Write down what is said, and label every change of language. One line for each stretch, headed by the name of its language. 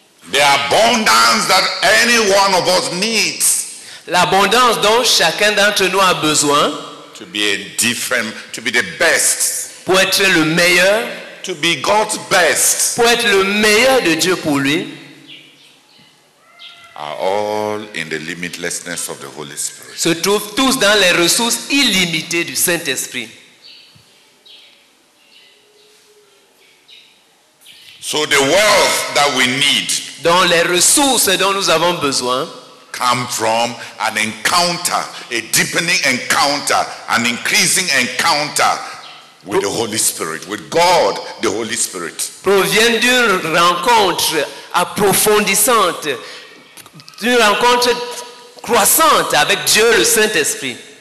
English: The abundance that any one of us needs.
French: L'abondance dont chacun d'entre nous a besoin.
English: To be a different, to be the best.
French: Pour être le meilleur.
English: To be God's best.
French: Pour être le meilleur de Dieu pour lui.
English: Are all in the limitlessness of the Holy Spirit.
French: Se trouvent tous dans les ressources illimitées du Saint-Esprit.
English: So the wealth that we need.
French: Dont les ressources dont nous avons besoin.
English: Come from an encounter, a deepening encounter, an increasing encounter with the Holy Spirit, with God, the Holy Spirit.
French: Proviennent d'une rencontre approfondissante, d'une rencontre croissante avec Dieu le Saint-Esprit.